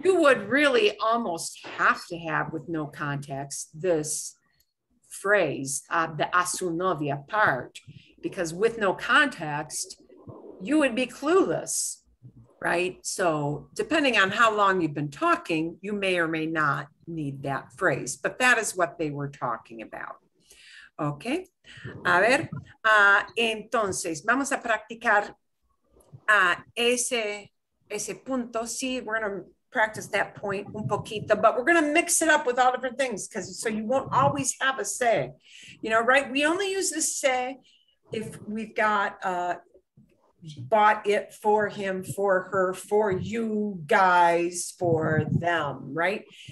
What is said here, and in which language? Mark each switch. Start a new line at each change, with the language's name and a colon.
English: You would really almost have to have, with no context, this phrase, the
Spanish: a su novia
English: part, because with no context, you would be clueless, right? So depending on how long you've been talking, you may or may not need that phrase, but that is what they were talking about.
Spanish: Okay, a ver, entonces vamos a practicar ese punto.
English: Sí, we're gonna practice that point
Spanish: un poquito,
English: but we're gonna mix it up with all different things, because so you won't always have a say, you know, right? We only use the say if we've got bought it for him, for her, for you guys, for them, right?